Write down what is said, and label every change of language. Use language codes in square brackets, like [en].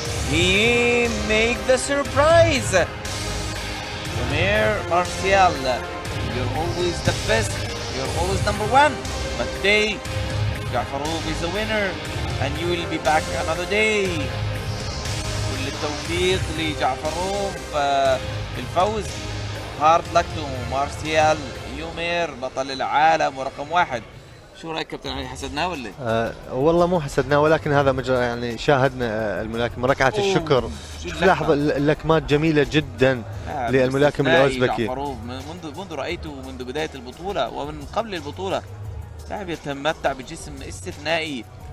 [en] He made the surprise. Omer Martial, you're always the best. You're always number one. But today, Jafarov is the winner. And you will be back another day. [ar] كل التوفيق لجعفروف بالفوز. [en] Hard luck to Martial Omer, [ar] بطل العالم ورقم واحد. شو رايك كابتن علي حسدناه ولا والله مو حسدناه، ولكن هذا مجرى يعني شاهدنا الملاكم ركعه الشكر. شوف لحظه اللكمات جميله جدا للملاكم الاوزبكي. منذ رايته منذ بدايه البطوله ومن قبل البطوله لاعب يتمتع بجسم استثنائي.